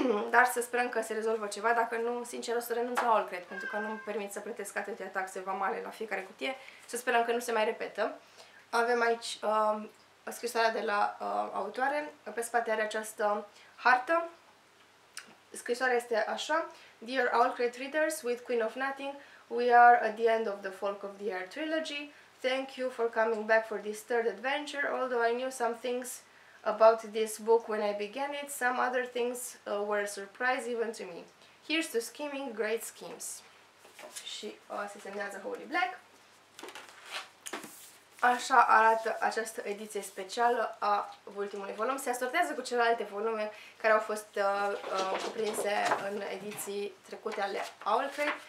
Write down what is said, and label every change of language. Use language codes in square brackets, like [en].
[ro] Dar să sperăm că se rezolvă ceva. Dacă nu, sincer, o să renunț la AllCred, pentru că nu-mi permit să plătesc atâtea taxe vamale la fiecare cutie. Să sperăm că nu se mai repetă. Avem aici scrisoarea de la autoare. Pe spate are această hartă. Scrisoarea este așa. [en] Dear AllCred readers, with Queen of Nothing, we are at the end of the Folk of the Air trilogy. Thank you for coming back for this third adventure. Although I knew some things about this book when I began it, some other things were a surprise even to me. Here's to scheming great schemes. [ro] Și se semnează Holy Black. Așa arată această ediție specială a ultimului volum. Se asortează cu celelalte volume care au fost cuprinse în ediții trecute ale AllCred.